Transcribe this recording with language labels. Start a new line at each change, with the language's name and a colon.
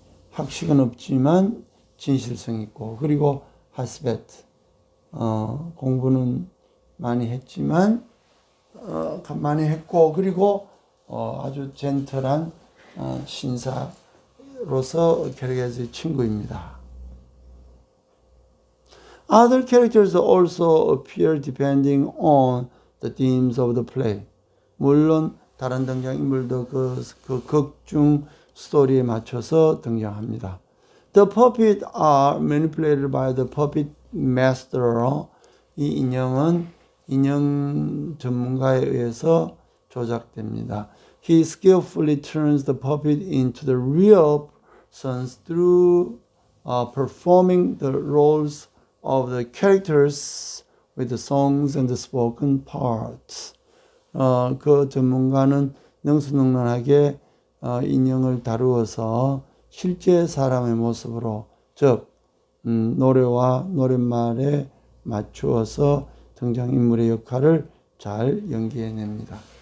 Korean: 학식은 없지만 진실성 있고 그리고 하스베트 공부는 많이 했지만 많이 했고 그리고 아주 젠틀한 신사로서 캐러게즈의 친구입니다.
English: Other characters also appear depending on the themes of the play.
Korean: 물론 다른 등장인물도 그 극중 스토리에 맞춰서 등장합니다.
English: The puppets are manipulated by the puppet master.
Korean: 이 인형은 인형 전문가에 의해서 조작됩니다.
English: He skillfully turns the puppet into the real persons through performing the roles of the characters with the songs and the spoken parts.
Korean: 그 전문가는 능수능란하게 인형을 다루어서 실제 사람의 모습으로 즉 노래와 노랫말에 맞추어서 등장인물의 역할을 잘 연기해냅니다.